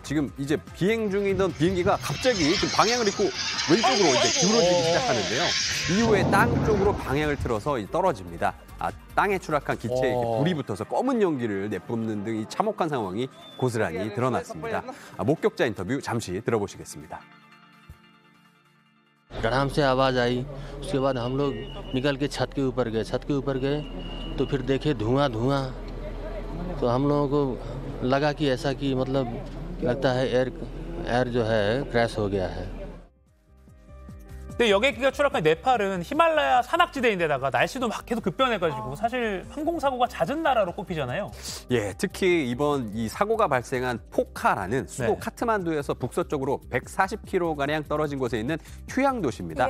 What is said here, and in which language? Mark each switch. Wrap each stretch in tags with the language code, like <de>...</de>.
<ko>지금 이제 비행 중이던 비행기가 갑자기 좀 방향을 잃고 왼쪽으로 이제 기울어지기 시작하는데요. 이후에 땅 쪽으로 방향을 틀어서 떨어집니다. 아, 땅에 추락한 기체에 불이 붙어서 검은 연기를 내뿜는 등 이 참혹한 상황이 고스란히 드러났습니다. 아, 목격자 인터뷰 잠시 들어보시겠습니다.</ko> <hi>아람세 아와ज आई उसके बाद हम लोग निकल के छत के ऊपर गए छत के ऊपर गए तो फिर देखे धुआं धुआं तो हम लोगों को लगा कि ऐसा कि मतलब लगता है एयर जो है क्रैश हो गया है</hi> <ko>근데 여객기가 추락한 네팔은 히말라야 산악지대인데다가 날씨도 막 계속 급변해가지고 사실 항공사고가 잦은 나라로 꼽히잖아요. 예, 특히 이번 이 사고가 발생한 포카라는 수도 네. 카트만두에서 북서쪽으로 140km가량 떨어진 곳에 있는 휴양도시입니다.</ko>